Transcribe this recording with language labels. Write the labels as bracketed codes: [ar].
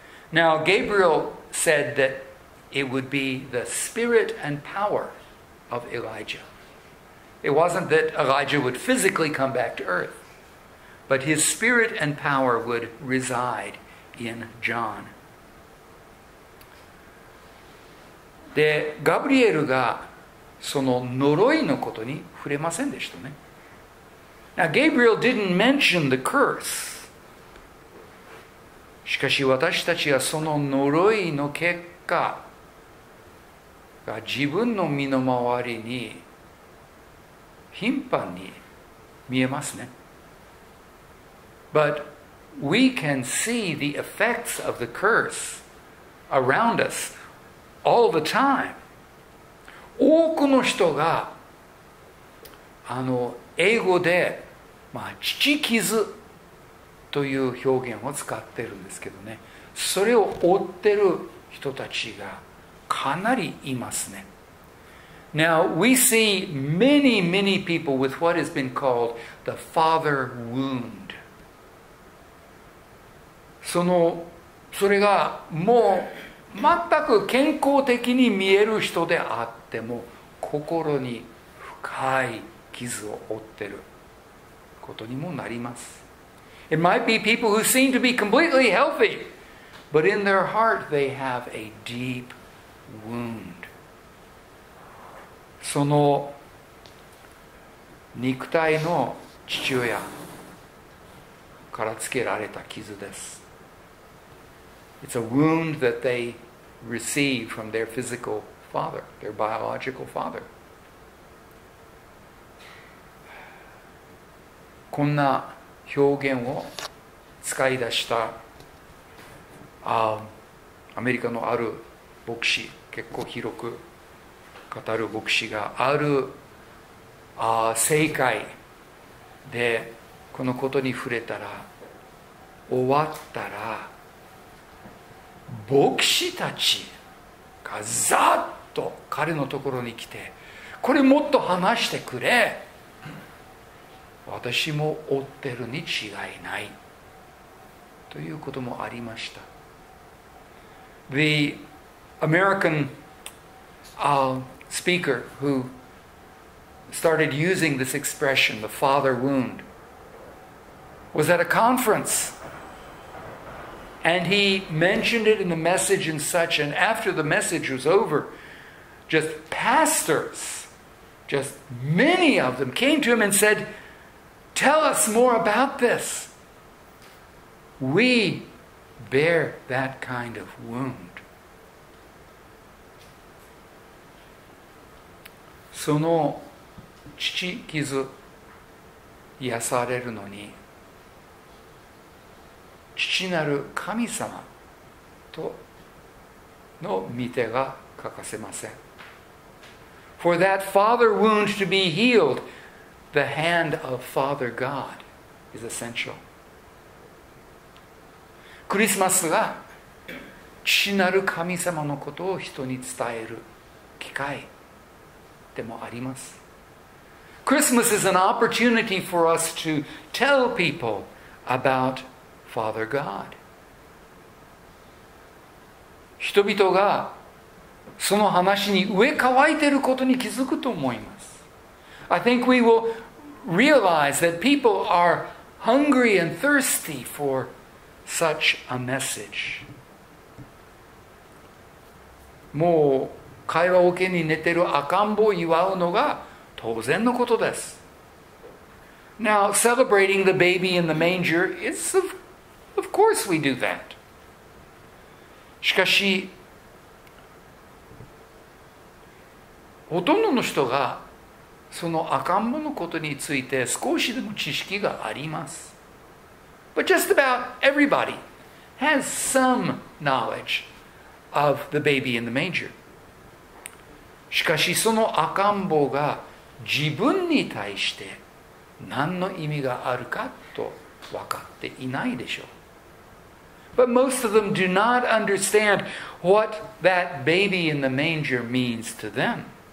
[en] Now Gabriel said that it would be the spirit and power of ElijahIt wasn't that Elijah would physically come back to earth, but his spirit and power would reside in John. [ja] で、ガブリエルがその呪いのことに触れませんでしたね。 [en] Now, Gabriel didn't mention the curse. [ja] しかし私たちはその呪いの結果が自分の身の回りに頻繁に見えますね。 [en] But we can see the effects of the curse around us all the time. [ja] 多くの人が英語で、父傷という表現を使ってるんですけどね。それを負ってる人たちがかなりいますね。 [en] Now, we see many, many people with what has been called the father wound. [ja] それがもう全く健康的に見える人であっても、心に深い傷を負ってることにもなります。 [en] It might be people who seem to be completely healthy, but in their heart they have a deep wound. [ja] その肉体の父親からつけられた傷です。 [en] It's a wound that they receive from their physical father, their biological father. [ja] こんな表現を使い出したアメリカのある牧師、結構広く語る牧師がある聖会でこのことに触れたら終わったら牧師たちがざっと彼のところに来てこれもっと話してくれ私も追ってるに違いないということもありました [en] The American speaker who started using this expression, the father wound, was at a conference. And he mentioned it in the message and such, and after the message was over, just pastors, just many of them came to him and said, tell us more about this. We bear that kind of wound. [ja] その父傷癒されるのに父なる神様との御手が欠かせません。 [en] For that father wound to be healed, the hand of Father God is essential. [ja] クリスマスが父なる神様のことを人に伝える機会でもあります。 [en] Christmas is an opportunity for us to tell people about Father God. [ja] 人々がその話に上乾いていることに気づくと思います。 [en] I think we will realize that people are hungry and thirsty for such a message. [ja] もう会話桶に寝てる赤ん坊を祝うのが当然のことです。 [en] Now, celebrating the baby in the manger is of course we do that. [ja] しかし、ほとんどの人がその赤ん坊のことについて少しでも知識があります。 [en] But just about everybody has some knowledge of the baby in the manger. [ja] しかしその赤ん坊が自分に対して何の意味があるかと分かっていないでしょう。 [en] But most of them do not understand what that baby in the manger means to them.